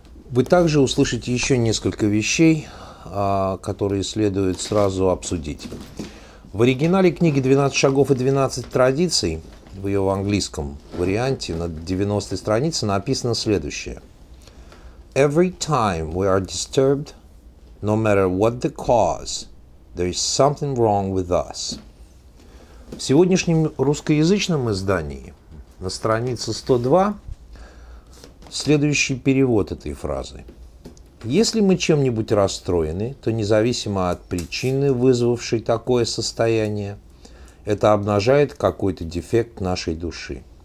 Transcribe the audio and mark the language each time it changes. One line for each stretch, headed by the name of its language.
Russian: Вы также услышите еще несколько вещей, которые следует сразу обсудить. В оригинале книги «12 шагов и 12 традиций», в ее английском варианте, на 90-й странице, написано следующее.
English: Every time we are disturbed, no matter what the cause, there is something wrong with us.
Russian: В сегодняшнем русскоязычном издании на странице 102 следующий перевод этой фразы. Если мы чем-нибудь расстроены, то независимо от причины, вызвавшей такое состояние, это обнажает какой-то дефект нашей души.